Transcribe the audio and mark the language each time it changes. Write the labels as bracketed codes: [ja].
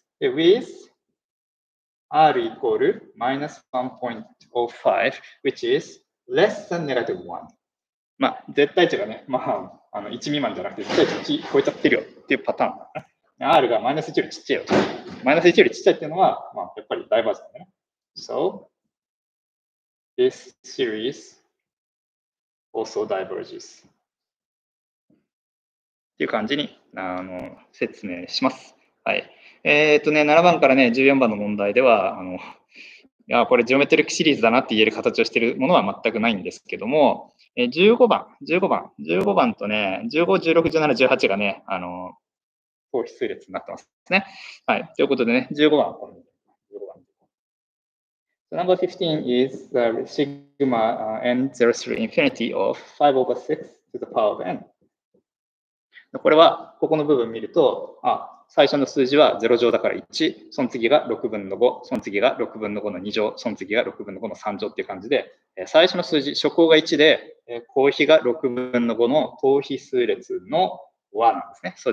[en] で、With R equal minus 1.05, which is less than negative 1. [ja] まあ、絶対値がね、まあ、1未満じゃなくて、絶対値を超えちゃってるよっていうパターンだね。 R がマイナス1よりちっちゃいよ。マイナス1よりちっちゃいっていうのは、まあ、やっぱりダイバージョンだね。 [en] So, this series also diverges. [ja] っていう感じに説明します。はい。 7番からね、14番の問題では、いや、これジオメトリックシリーズだなって言える形をしているものは全くないんですけども、15番とね、15、16、17、18がね、等比数列になってますね。はい。ということでね、15番はこの。 [en] Number 15 is the sigma n 0 through infinity of 5 over 6 to the power of n. [ja] これはここの部分見ると、最初の数字は0乗だから1、その次が6分の5、その次が6分の5の2乗、その次が6分の5の3乗っていう感じで、最初の数字、初項が1で、後比が6分の5の等比数列の和なんですね。